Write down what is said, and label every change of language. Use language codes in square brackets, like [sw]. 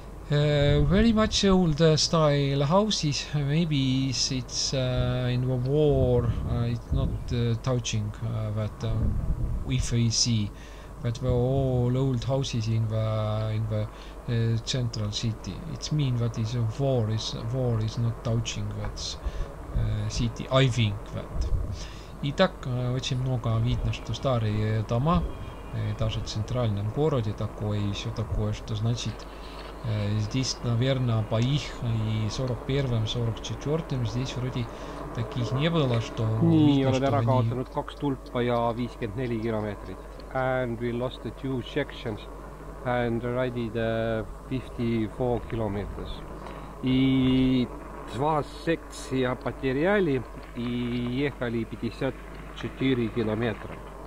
[en] Very much old style houses, maybe it's in the war, it's not touching that if we see, but the all old houses in the central city. It means that is a war is not touching that city, I think that. [ru] И так очень много видно, что старые дома, даже в центральном городе такое, еще такое, что значит здесь, наверное, по их и 41-44 здесь вроде таких не было, что... [et] Не, olen ära kaotanud 2 tulpa ja 54 kilometrit. [en] And we lost the 2 sections and rided 54 kilometers. [ru] И 2 секция потеряли и ехали 54 километра.